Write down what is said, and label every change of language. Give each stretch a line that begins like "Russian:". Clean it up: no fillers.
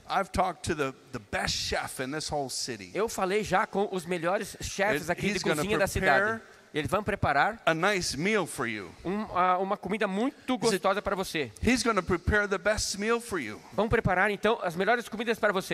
English: "I've talked to the best chef in this whole city."
Portuguese: Eu falei já com os melhores chefes aqui de cozinha da cidade. Eles vão preparar
English: a nice meal for you.
Portuguese: Uma comida muito gostosa para você.
English: He's going to prepare the best meal for you.
Portuguese: Vão preparar então as melhores comidas para você.